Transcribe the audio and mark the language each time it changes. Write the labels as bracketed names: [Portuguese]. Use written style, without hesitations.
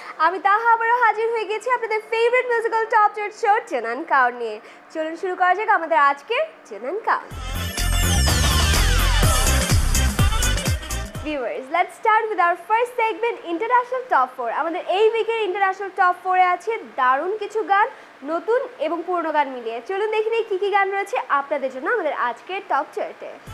[Bangla] আমি তাহা আবারও হাজির হয়ে গেছি আপনাদের favourite musical top chart show চেনান cow নিয়ে। চলুন শুরু করা যাক আমাদের আজকে চেনান cow. [English] Viewers, let's start with our first segment, International Top 4. [Bangla] আমাদের এই উইকের International Top 4 এ আছে দারুণ কিছু গান, নতুন এবং পুরনো গান মিলিয়ে। চলুন দেখে নিই কি কি গান রয়েছে আপনাদের জন্য আমাদের আজকের টপ চার্টে।